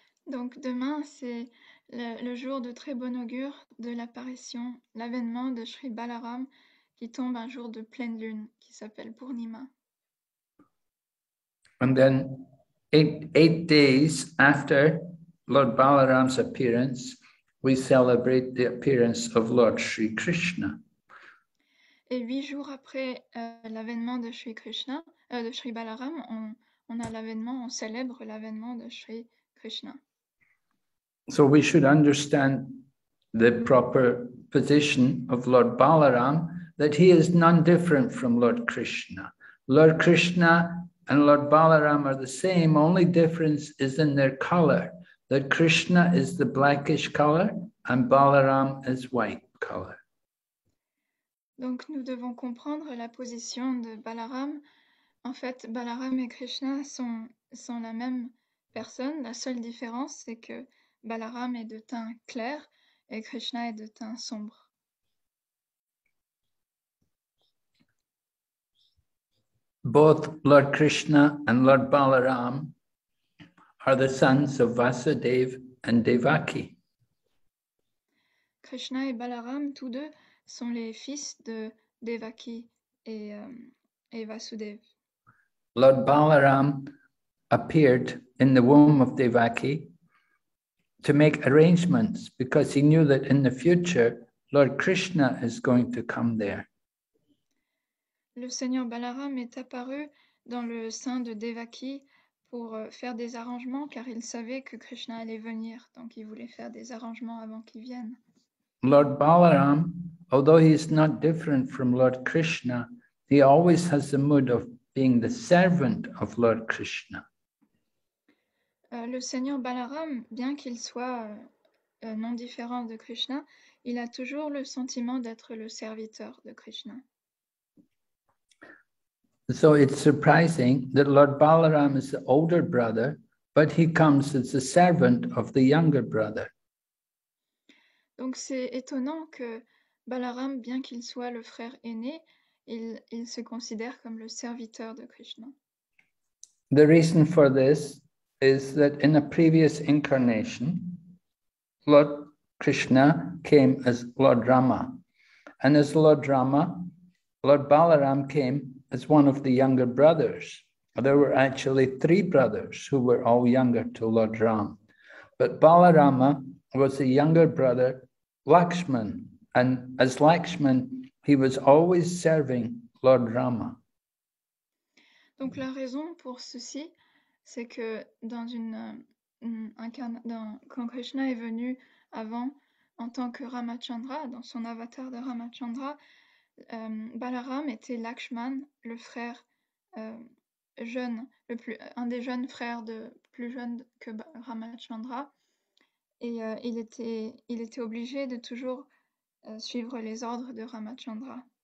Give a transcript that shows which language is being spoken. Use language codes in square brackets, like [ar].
[fr] Donc demain, c'est le jour de très bon augure de l'apparition, l'avènement de Sri Balaram qui tombe un jour de pleine lune qui s'appelle Purnima. [en] And then eight days after Lord Balaram's appearance, we celebrate the appearance of Lord Sri Krishna. [fr] Et 8 jours après l'avènement de Sri Krishna, de Sri Balaram, on a l'avènement, on célèbre l'avènement de Sri Krishna. [en] So we should understand the proper position of Lord Balaram, that he is none different from Lord Krishna. Lord Krishna and Lord Balaram are the same, only difference is in their color. That Krishna is the blackish color and Balaram is white color. [fr] Donc nous devons comprendre la position de Balaram. En fait, Balaram et Krishna sont la même personne. La seule différence, c'est que Balaram est de teint clair et Krishna est de teint sombre. [en] Both Lord Krishna and Lord Balaram are the sons of Vasudev and Devaki. [fr] Krishna et Balaram, tous deux, sont les fils de Devaki et Vasudev. [en] Lord Balaram appeared in the womb of Devaki to make arrangements because he knew that in the future, Lord Krishna is going to come there. [fr] Le Seigneur Balaram est apparu dans le sein de Devaki pour faire des arrangements, car il savait que Krishna allait venir, donc il voulait faire des arrangements avant qu'il vienne. [en] Lord Balaram, although he is not different from Lord Krishna, he always has the mood of being the servant of Lord Krishna. [fr] Le Seigneur Balaram, bien qu'il soit non différent de Krishna, il a toujours le sentiment d'être le serviteur de Krishna. [en] So it's surprising that Lord Balaram is the older brother, but he comes as the servant of the younger brother. [fr] Donc c'est étonnant que Balaram, bien qu'il soit le frère aîné, il se considère comme le serviteur de Krishna. [en] The reason for this is that in a previous incarnation, Lord Krishna came as Lord Rama. And as Lord Rama, Lord Balaram came as one of the younger brothers. There were actually three brothers who were all younger to Lord Ram. But Balarama was the younger brother, Lakshman. And as Lakshman, he was always serving Lord Rama. [fr] Donc la raison pour ceci, c'est que dans quand Krishna est venu avant en tant que Ramachandra, dans son avatar de Ramachandra, Balaram était Lakshman, le frère jeune, un des jeunes frères plus jeune que Ramachandra, et il était obligé de toujours suivre les ordres de Ramachandra.